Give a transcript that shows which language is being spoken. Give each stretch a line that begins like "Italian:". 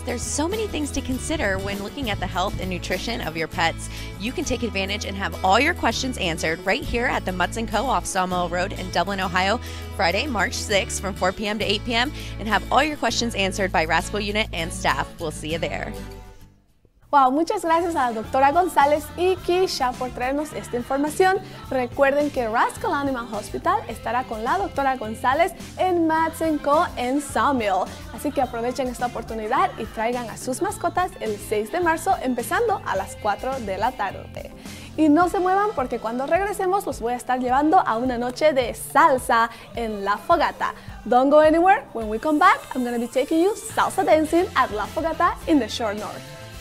English: There's so many things to consider when looking at the health and nutrition of your pets. You can take advantage and have all your questions answered right here at the Mtts & Co. off Sawmill Road in Dublin, Ohio, Friday, March 6th from 4 p.m. to 8 p.m. and have all your questions answered by Rascal Unit and staff. We'll see you there.
Spanish: Wow, muchas gracias a la doctora González y Keisha por traernos esta información. Recuerden que Rascal Animal Hospital estará con la doctora González en Mtts & Co. en Sawmill. Así que aprovechen esta oportunidad y traigan a sus mascotas el 6 de marzo, empezando a las 4 de la tarde. Y no se muevan porque cuando regresemos los voy a estar llevando a una noche de salsa en La Fogata.
English: Don't go anywhere. When we come back, I'm going to be taking you salsa dancing at La Fogata in the Short North.